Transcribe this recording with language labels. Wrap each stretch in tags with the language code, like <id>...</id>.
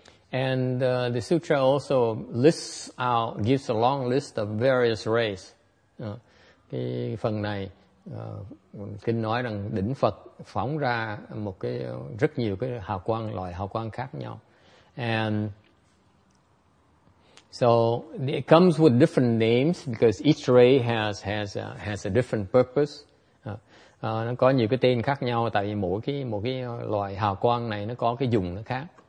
<en>And the sutra also lists out, gives a long list of various rays.</en> <vi>Cái phần này kinh nói rằng đỉnh Phật phóng ra một cái rất nhiều cái hào quang, loại hào quang khác nhau.</vi> <en>And so it comes with different names because each ray has a different purpose.</en> <vi>Nó có nhiều cái tên khác nhau tại vì một cái loại hào quang này nó có cái dùng nó khác.</vi>